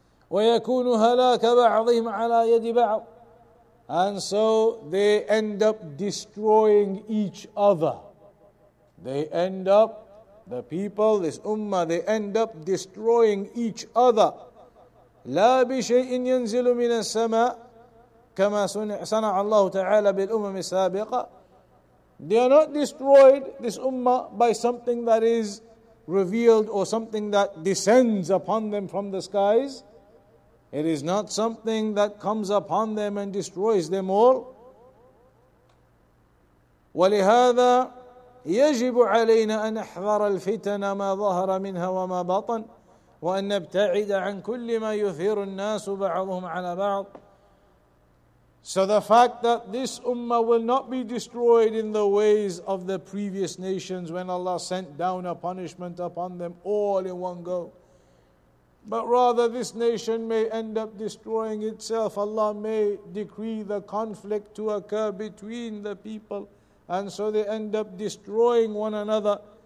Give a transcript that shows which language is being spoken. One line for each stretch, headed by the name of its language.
Arabic: وَيَكُونُ هَلَاكَ بَعْضِهِمْ عَلَىٰ يَدِ بَعْضٍ.
English: And so they end up destroying each other. They end up, the people, this ummah, they end up destroying each other.
Arabic: لا بشيء ينزل من السماء كما صنع الله تعالى بالأمم السابقة.
English: They are not destroyed, this ummah, by something that is revealed or something that descends upon them from the skies. It is not something that comes upon them and destroys them all.
Arabic: ولهذا يجب علينا أن نحذر الفتن ما ظهر منها وما بطن وأن نبتعد عن كل ما يثير الناس بعضهم على بعض.
English: So the fact that this ummah will not be destroyed in the ways of the previous nations when Allah sent down a punishment upon them all in one go, but rather this nation may end up destroying itself. Allah may decree the conflict to occur between the people, and so they end up destroying one another.